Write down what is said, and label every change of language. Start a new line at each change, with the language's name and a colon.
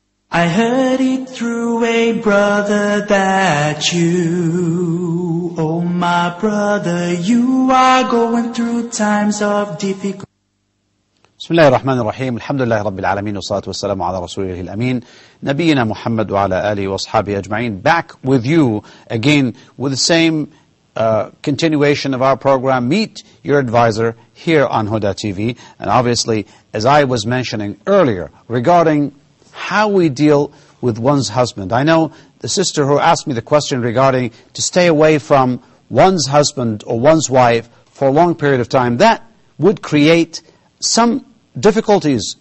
English: I heard it through a brother that you, oh my brother, you are going through times of difficulty.
Arabic: بسم الله الرحمن الرحيم الحمد لله رب العالمين والصلاة والسلام على رسوله الأمين نبينا محمد وعلى آله وصحبه أجمعين.
English: Back with you again with the same continuation of our program, Meet Your Advisor, here on Huda TV. And obviously, as I was mentioning earlier regarding how we deal with one's husband, I know the sister who asked me the question regarding to stay away from one's husband or one's wife for a long period of time, that would create some difficulties.